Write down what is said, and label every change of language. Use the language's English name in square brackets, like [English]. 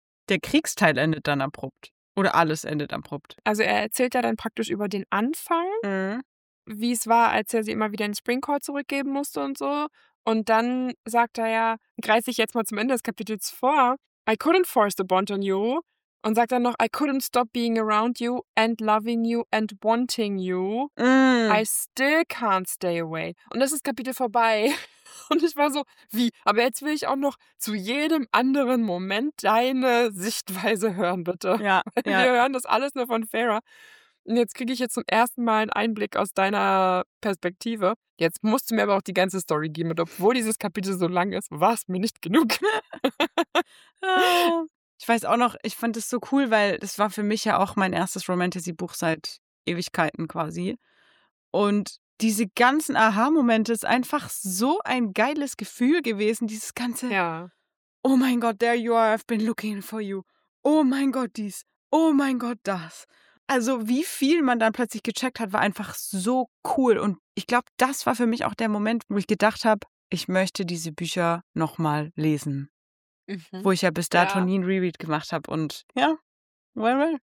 [German] Der Kriegsteil endet dann abrupt. Oder alles endet abrupt. Also er erzählt ja dann praktisch über den Anfang, wie es war, als er sie immer wieder in Spring Court zurückgeben musste und so. Und dann sagt er ja, greife ich jetzt mal zum Ende des Kapitels vor, [English] I couldn't force the bond on you. [German] Und sagt dann noch, [English] I couldn't stop being around you and loving you and wanting you. I still can't stay away. [German] Und das ist Kapitel vorbei. Und ich war so, wie? Aber jetzt will ich auch noch zu jedem anderen Moment deine Sichtweise hören, bitte. Ja. Wir hören das alles nur von Farrah. Jetzt kriege ich jetzt zum ersten Mal einen Einblick aus deiner Perspektive. Jetzt musst du mir aber auch die ganze Story geben. Und obwohl dieses Kapitel so lang ist, war es mir nicht genug. Ich weiß auch noch, ich fand es so cool, weil das war für mich ja auch mein erstes Romantasy-Buch seit Ewigkeiten quasi. Und diese ganzen Aha-Momente ist einfach so ein geiles Gefühl gewesen, dieses ganze, ja. Oh mein Gott, [English] there you are, I've been looking for you. [German] Oh mein Gott, dies. Oh mein Gott, das. Also wie viel man dann plötzlich gecheckt hat, war einfach so cool. Und ich glaube, das war für mich auch der Moment, wo ich gedacht habe, ich möchte diese Bücher nochmal lesen. Mhm. Wo ich ja bis dato nie ein Reread gemacht habe. Und ja, well.